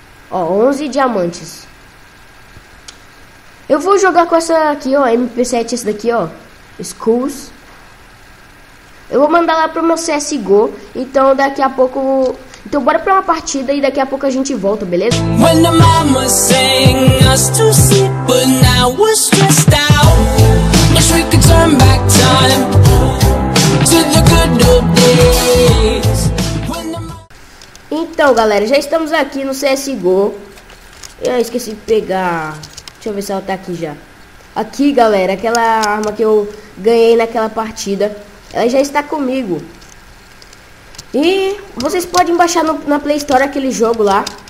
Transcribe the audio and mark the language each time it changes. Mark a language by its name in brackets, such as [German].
[Portuguese] Ó, 11 diamantes. Eu vou jogar com essa aqui, ó, MP7, essa daqui, ó. Skulls. Eu vou mandar lá pro meu CSGO. Então daqui a pouco. Então bora pra uma partida e daqui a pouco a gente volta, beleza? [English] When the mama sang us to sleep, but now we're stressed out. Wish we could turn back time to the good old days. [Portuguese] Então, galera, já estamos aqui no CSGO. Eu esqueci de pegar. Deixa eu ver se ela tá aqui já. Aqui, galera, aquela arma que eu ganhei naquela partida. Ela já está comigo. E vocês podem baixar no, na Play Store aquele jogo lá.